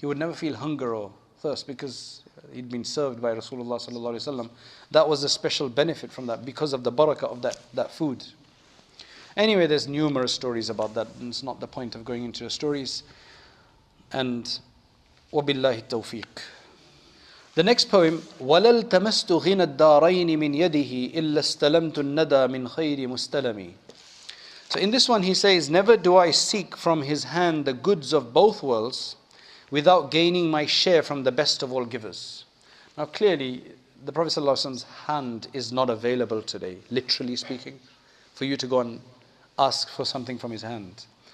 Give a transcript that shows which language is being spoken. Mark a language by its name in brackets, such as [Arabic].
[English] He would never feel hunger or thirst because he'd been served by Rasulullah sallallahu alaihi wasallam. That was a special benefit from that because of the barakah of that food. Anyway, there's numerous stories about that, and it's not the point of going into the stories. And wabillahi tawfiq. The next poem, [Arabic] وَلَلْ تَمَسْتُ غِنَ الدَّارَيْنِ مِنْ يَدِهِ إِلَّا اسْتَلَمْتُ النَّدَى مِنْ خَيْرِ مُسْتَلَمِ. [English] So in this one he says, never do I seek from his hand the goods of both worlds without gaining my share from the best of all givers. Now clearly, the Prophet ﷺ's hand is not available today, literally speaking, for you to go and ask for something from his hand.